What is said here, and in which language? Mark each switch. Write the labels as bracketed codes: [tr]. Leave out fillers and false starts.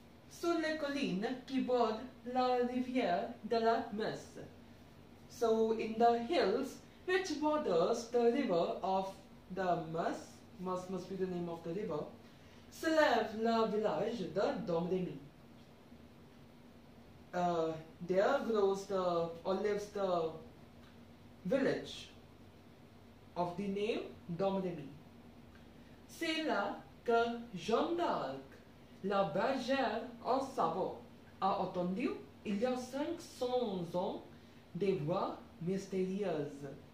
[fr] Sur les collines qui bordent la rivière de la Meuse. [en] So, in the hills, which borders the river of the Meuse, Meuse must be the name of the river, [fr] s'élève le village de Domremy. [en] There grows the, or lives the village of the name Domremy. [fr] C'est là que Jeanne d'Arc, la bergère en sabot, a entendu il y a 500 ans des voix mystérieuses.